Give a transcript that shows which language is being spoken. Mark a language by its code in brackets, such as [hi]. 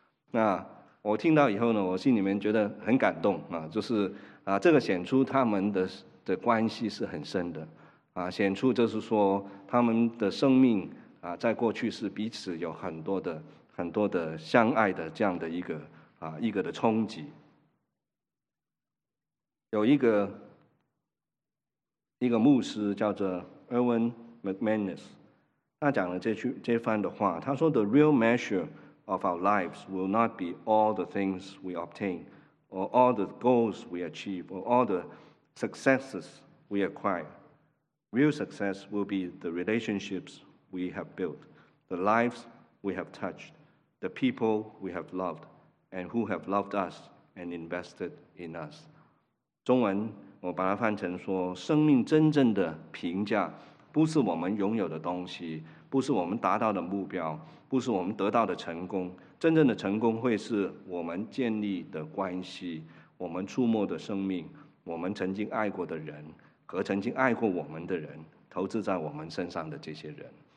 [zh] 那我听到以后呢，我心里面觉得很感动就是这个显出他们的关系是很深的显出就是说他们的生命在过去是彼此有很多的相爱的这样的一个的冲击。有一个牧师叫做 Erwin McManus， 他讲了这番的话，他说 [en] The real measure of our lives will not be all the things we obtain or all the goals we achieve or all the successes we acquire. Real success will be the relationships we have built, the lives we have touched, the people we have lovedand who have loved us and invested in us. [zh] 中文我把它翻成说，生命真正的评价不是我们拥有的东西，不是我们达到的目标，不是我们得到的成功，真正的成功会是我们建立的关系，我们触摸的生命，我们曾经爱过的人和曾经爱过我们的人，投资在我们身上的这些人。